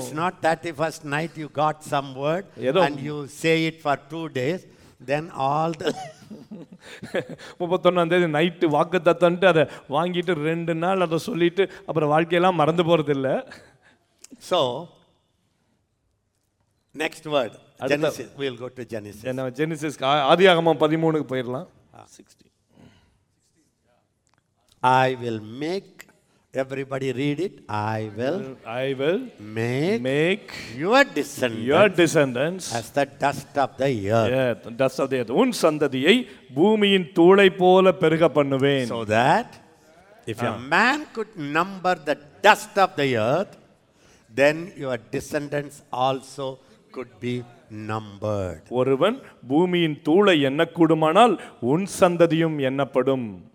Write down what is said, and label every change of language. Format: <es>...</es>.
<en>It's not that the first night you got some word and you say it for 2 days then all the</en> <ta>31st night வாக்கு தத்தன்ட்டு அதை வாங்கிட்டு ரெண்டு நாள் அதை சொல்லிட்டு அப்புறம் வாழ்க்கையெல்லாம் மறந்து போறது இல்லை.</ta> <en>So next word Genesis we will go to Genesis.</en> <ta>என்ன ஜெனசிஸ் ஆதியாகமம் 13 க்கு போயிடலாம்.</ta> <en>I will make everybody read it. I will make your descendants as the dust of the earth. Yeah, dust of the earth.</en> <ta>உன் சந்ததியை பூமியின் தூளை போல பெருக பண்ணுவேன்.</ta> <en>So that if a man could number the dust of the earth, then your descendants also could be numbered.</en> <ta>ஒருவன் பூமியின் தூளை எண்ணக்கூடுமானால் உன் சந்ததியும் எண்ணப்படும்.</ta>